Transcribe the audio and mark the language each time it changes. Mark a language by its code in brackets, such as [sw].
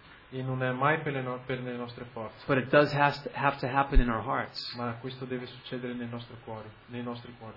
[it] E non è mai per le nostre forze. [en] But it does have to happen in our hearts. [it] Ma questo deve succedere nel nostro cuore, nei nostri cuori.